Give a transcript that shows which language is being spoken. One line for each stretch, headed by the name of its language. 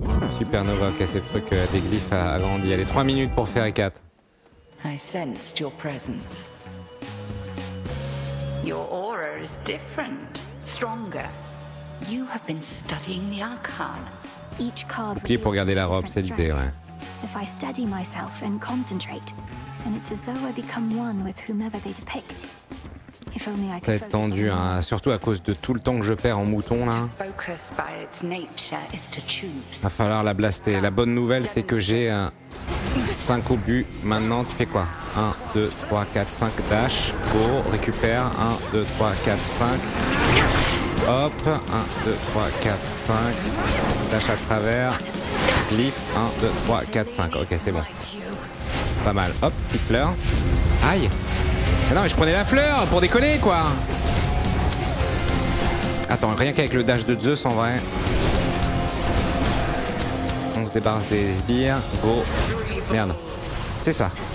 French: Supernova, ok, c'est le truc que des glyphes a grandi. Allez, 3 minutes pour faire 4.
English: I sensed your presence. Your aura is different, stronger. You have been studying the Arcane. Each card.
French: Bouclier pour garder la robe, c'est l'idée, ouais.
English: If I steady myself and concentrate, then it's as though I become one with whomever they depict. If only I could.
French: Tendu, hein, surtout à cause de tout le temps que je perds en mouton là.
English: Focus by its nature is to choose.
French: Va falloir la blaster. La bonne nouvelle, c'est que j'ai 5 obus. Maintenant, tu fais quoi? 1, 2, 3, 4, 5, dash, go, récupère, 1, 2, 3, 4, 5, hop, 1, 2, 3, 4, 5, dash à travers, glyph, 1, 2, 3, 4, 5, ok, c'est bon, pas mal, hop, petite fleur, aïe, mais non, mais je prenais la fleur pour déconner, quoi, attends, rien qu'avec le dash de Zeus, en vrai, on se débarrasse des sbires, go, merde, c'est ça.